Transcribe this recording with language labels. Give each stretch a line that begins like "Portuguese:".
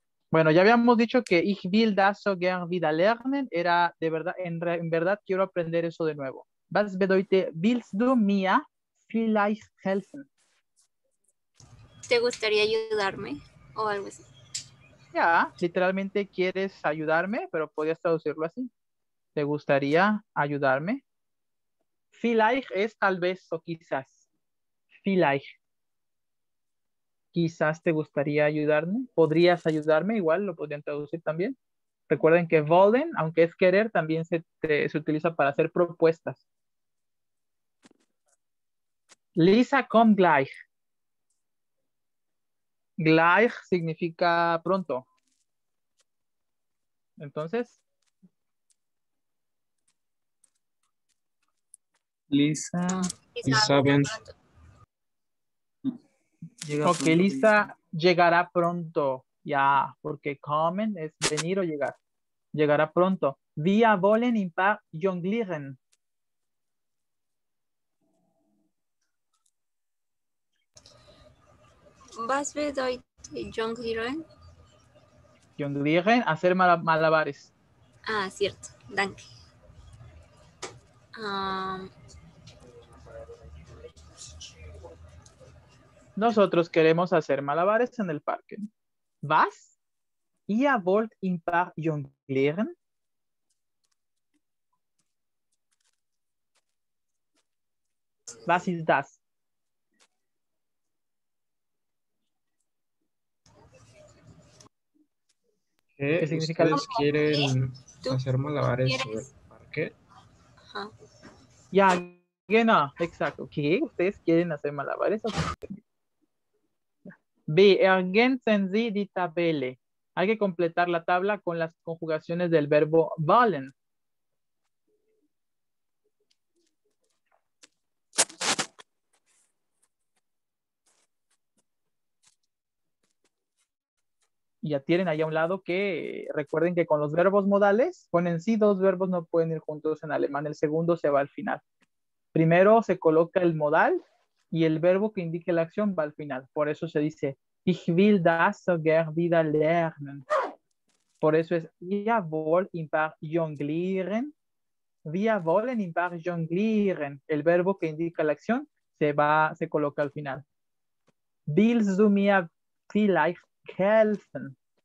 Spanish: Bueno, ya habíamos dicho que
German: ich will das so gern wieder lernen
Spanish: era de verdad, en verdad quiero aprender eso de nuevo.
German: Was bedeutet, willst du mir vielleicht helfen?
Spanish: ¿Te gustaría ayudarme? O algo así. Ya, literalmente quieres ayudarme, pero podrías traducirlo así. ¿Te gustaría ayudarme? Vielleicht es tal vez o quizás. Vielleicht. Quizás te gustaría ayudarme. ¿Podrías ayudarme? Igual lo podrían traducir también. Recuerden que wollen, aunque es querer, también se utiliza para hacer propuestas.
German: Lisa, komm gleich.
Spanish: Gleich significa pronto. Entonces. Lisa ven. Llega ok, Lisa llegará pronto. Ya, yeah, porque kommen es venir o llegar. Llegará pronto.
German: Wir wollen im Park jonglieren. Was bedeutet jonglieren?
Spanish: Jonglieren, hacer malabares. Ah, cierto. Danke. Nosotros queremos hacer malabares en el parque. ¿Vas?
German: ¿Ihr wollt im Park jonglieren? ¿Was ist das?
Spanish: ¿Qué significa? ¿Ustedes quieren hacer malabares en el parque? Ya, no, exacto. ¿Qué? ¿Ustedes quieren hacer malabares? B.
German: Ergänzen Sie die Tabelle.
Spanish: Hay que completar la tabla con las conjugaciones del verbo wollen. Ya tienen ahí a un lado que recuerden que con los verbos modales, ponen sí, dos verbos no pueden ir juntos en alemán. El segundo se va al final. Primero se coloca el modal y el verbo que indique la acción va al final. Por eso se dice,
German: ich will das so gern wieder lernen.
Spanish: Por eso es,
German: wir wollen im Park jonglieren. Wir wollen im Park jonglieren.
Spanish: El verbo que indica la acción se coloca al final.
German: Willst du mir vielleicht helfen?